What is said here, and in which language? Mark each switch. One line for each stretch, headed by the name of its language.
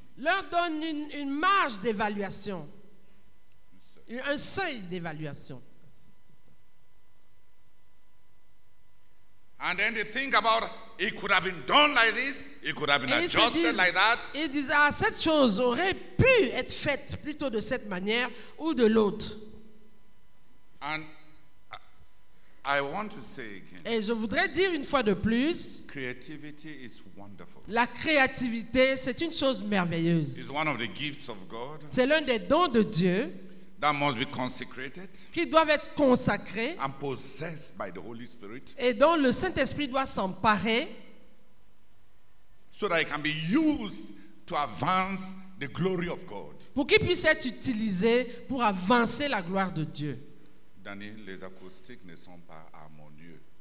French: Leur donne une marge d'évaluation, un seuil d'évaluation.
English: And then they think about it could have been done like this, it could have been adjusted like that.
French: Ils disent cette chose aurait pu être faite plutôt de cette manière ou de l'autre.
English: And I want to say again,
French: et je voudrais dire une fois de plus,
English: creativity is wonderful.
French: La créativité, c'est une chose merveilleuse.
English: It's one of the gifts of God.
French: C'est l'un des dons de Dieu
English: that must be consecrated,
French: qui doivent être consacrés,
English: and possessed by the Holy Spirit,
French: et dont le Saint-Esprit doit s'emparer,
English: so that it can be used to advance the glory of God.
French: Pour qu'il puisse être utilisé pour avancer la gloire de Dieu. Daniel, les acoustiques ne sont pas harmonieux.